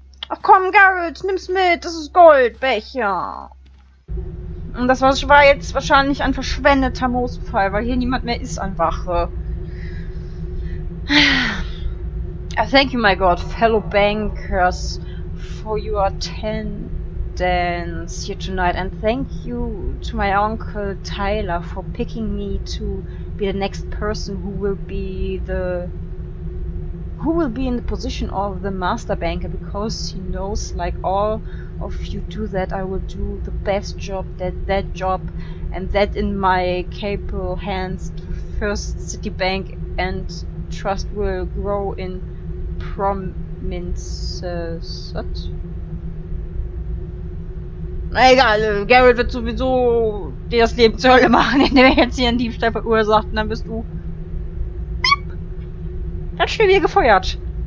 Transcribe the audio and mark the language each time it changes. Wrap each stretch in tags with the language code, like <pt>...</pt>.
<de>Ach komm, Garrett, nimm's mit. Das ist Goldbecher. Und das war jetzt wahrscheinlich ein verschwendeter Moosfall, weil hier niemand mehr ist an Wache.</de> <en>Thank you, my God, fellow bankers, for your attendance here tonight. And thank you to my uncle Tyler for picking me to be the next person who will be the... who will be in the position of the master banker, because he knows, like all of you do, that I will do the best job, that job, and that in my capable hands, the first city bank and trust will grow in prominence. What?</en> <de>Egal, Garrett wird sowieso dir das Leben zur Hölle machen, indem er jetzt hier einen Diebstahl verursacht, und dann bist du ganz schnell wieder gefeuert.</de>